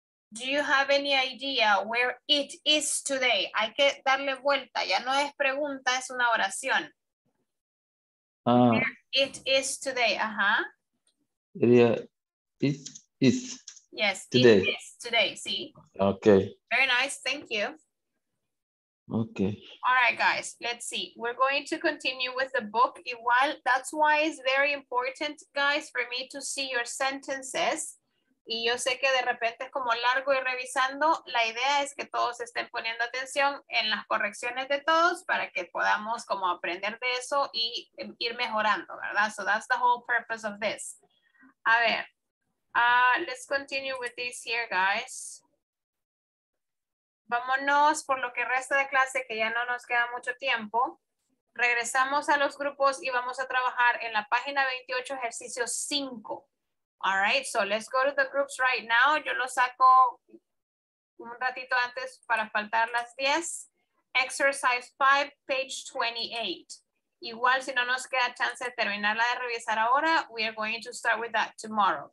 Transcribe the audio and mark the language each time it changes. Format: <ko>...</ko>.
<en>Do you have any idea where it is today?</en> <es>Hay que darle vuelta, ya no es pregunta, es una oración.</es> <en>Where it is today, ajá. Yeah, it is. Yes, today. It is today, sí. Okay. Very nice, thank you. Okay. All right, guys, let's see. We're going to continue with the book. Igual, that's why it's very important, guys, for me to see your sentences.</en> <es>Y yo sé que de repente es como largo y revisando. La idea es que todos estén poniendo atención en las correcciones de todos para que podamos como aprender de eso y ir mejorando, ¿verdad?</es> <en>So that's the whole purpose of this.</en> <es>A ver,</es> <en>let's continue with this here, guys.</en> <es>Vámonos por lo que resta de clase, que ya no nos queda mucho tiempo. Regresamos a los grupos y vamos a trabajar en la página 28, ejercicio 5.</es> <en>All right, so let's go to the groups right now.</en> <es>Yo lo saco un ratito antes para faltar las 10.</es> <en>Exercise 5, page 28.</en> <es>Igual, si no nos queda chance de terminarla de revisar ahora,</es> <en>we are going to start with that tomorrow.</en>